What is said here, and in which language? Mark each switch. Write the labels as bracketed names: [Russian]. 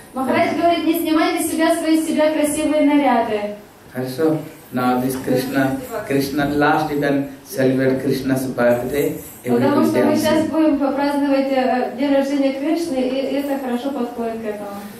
[Russian] Maharaj говорит, не снимайте себя красивые наряды. Хорошо. [English] Now this Krishna last even celebrate Krishna's birthday. [Russian] Потому что мы сейчас будем праздновать день рождения Кришны, и это хорошо подходит к этому.